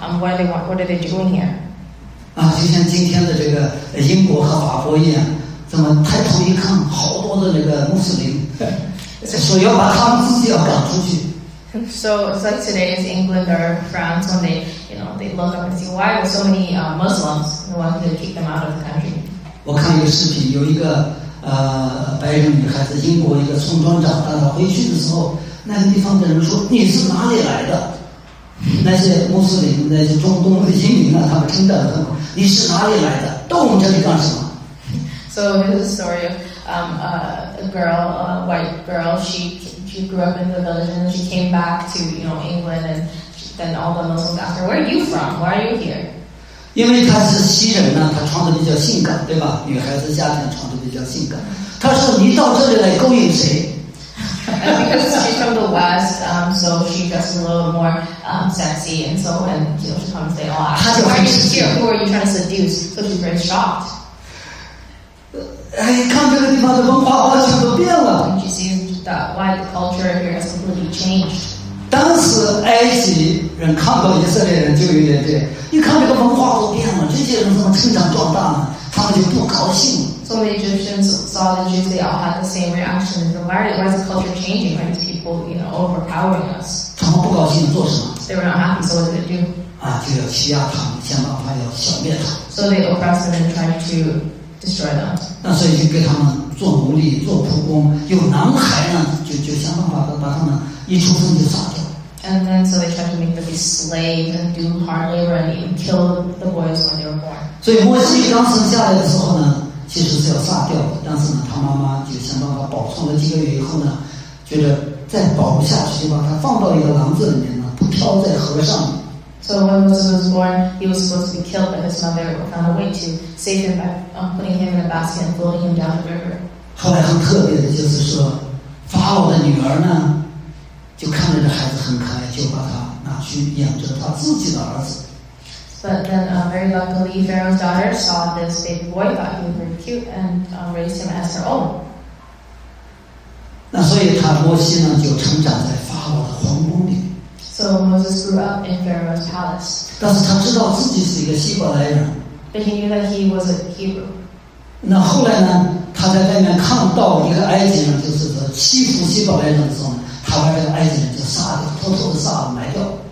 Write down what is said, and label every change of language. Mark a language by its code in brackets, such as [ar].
[en] What are they doing here? [zh] 就像今天的这个英国和法国一样，怎么抬头一看，好多的那个穆斯林，说要把他们自己要赶出去。 [en] So like today is England or France when they, you know, they look up and see why are so many Muslims who want to kick them out of the country. [zh] 我看一个视频，有一个白人女孩子，英国一个村庄长大的，回去的时候，那个地方的人说你是哪里来的？那些穆斯林，那些中东的移民啊，他们听到的，你是哪里来的？到我们这里干什么？ [en] So there's a story of a white girl, she grew up in the village and she came back to, you know, England, and then all the Muslims asked her, where are you from? Why are you here? [zh] 因为她是西人呢，她穿得比较性感，对吧？女孩子夏天穿得比较性感。她说你到这里来勾引谁？ [en] And because she's from the West, so she dressed a little more sexy, and so when, you know, she comes, they all ask, why are you here? Who are you trying to seduce? So she's very shocked. [zh] 哎，看这个地方的文化完全都变了。 [en] And you see that white culture here has completely changed. [zh] 当时埃及人看到以色列人就有点这样，一看这个文化都变了，这些人怎么成长壮大呢？他们就不高兴。 [en] So the Egyptians saw the Jews, they all had the same reaction. Why is the culture changing? Why is people, you know, overpowering us? [zh] 他们不高兴做什么？ [en] They were not happy, so what did they do? [zh] 就要欺压他们，想办法要消灭他们。 [en] So they oppressed them and tried to. destroy them. [zh] 那所以就给他们做奴隶，做仆工。有男孩呢，就想办法把他们一出生就杀掉。 [en] And then so they tried to make them be slaves and do hard labor and even kill the boys when they were born. [zh] 所以摩西刚生下来的时候呢，其实是要杀掉的。但是呢，他妈妈就想办法保存了几个月以后呢，觉得再保不下去，就把他放到一个篮子里面呢，不飘在河上。 [en] So when Moses was born, he was supposed to be killed, but his mother found a way to save him by putting him in a basket and floating him down the river. [zh] 后来很特别的就是说，法老的女儿呢，就看着这孩子很可爱，就把他拿去养着他自己的儿子。 [en] But then, very luckily, Pharaoh's daughter saw this baby boy, thought he was very cute, and raised him as her own. [zh] 那所以他摩西呢，就成长在法老的皇宫里。 [en] So Moses grew up in Pharaoh's palace. [zh] 但是他知道自己是一个希伯来人。 [en] But he knew that he was a Hebrew. [zh] 那后来呢？他在外面看到一个埃及人，就是说欺负希伯来人的时候，他把这个埃及人就杀了，偷偷的杀了，埋掉。